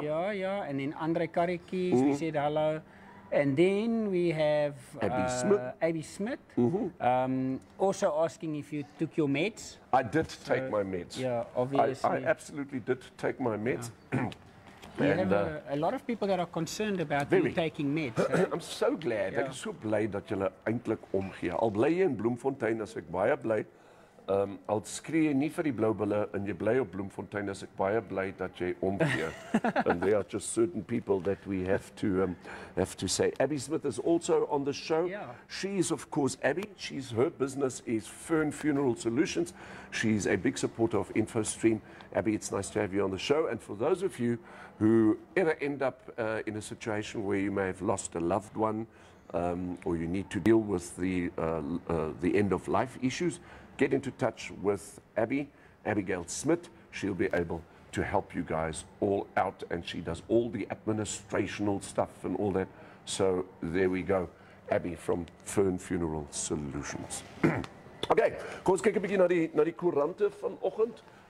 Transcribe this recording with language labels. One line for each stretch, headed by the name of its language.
English: Ja, ja, and then
Afrikaans: andere karretjies,
English: mm-hmm. We said hello. And then we have Abby Smith, mm-hmm. Also asking if you took your meds. I did so take my meds. Yeah, obviously. I absolutely did take my meds. Yeah. We have a lot of people that are concerned about you taking meds. Right? I'm so glad. Yeah.
Afrikaans: Ek is so bly dat julle eintlik omgee. Al bly jy in Bloemfontein as ek baie bly, al skree jy nie vir die blauwbulle en jy bly op Bloemfontein as ek baie bly dat jy omgee.
English: And there are just certain people that we have to say. Abby Smith is also on the show. Yeah. She is of course Abby. She's her business is Fern Funeral Solutions. She's a big supporter of Infostream. Abby, it's nice to have you on the show. And for those of you who ever end up in a situation where you may have lost a loved one or you need to deal with the end of life issues, get into touch with Abigail Smith. She'll be able to help you guys all out, and she does all the administrational stuff and all that. So there we go, Abby from Fern Funeral Solutions.
Afrikaans: Okay, kom ons kyk 'n bietjie na die koerante vanoggend.